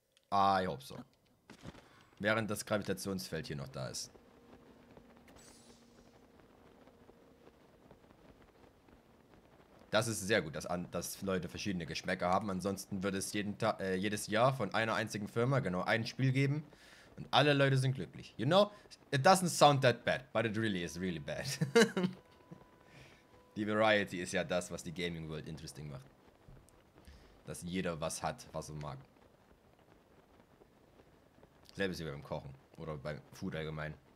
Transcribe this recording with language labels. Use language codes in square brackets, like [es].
[de] Ah, ich hoffe so. Während das Gravitationsfeld hier noch da ist. Das ist sehr gut, dass Leute verschiedene Geschmäcker haben. Ansonsten würde es jedes Jahr von einer einzigen Firma genau ein Spiel geben. Und alle Leute sind glücklich. [en] You know, it doesn't sound that bad, but it really is really bad. [de] Die Variety ist ja das, was die [en] Gaming World interesting [de] macht. Dass jeder was hat, was er mag. Selbst wie beim Kochen oder beim Food allgemein.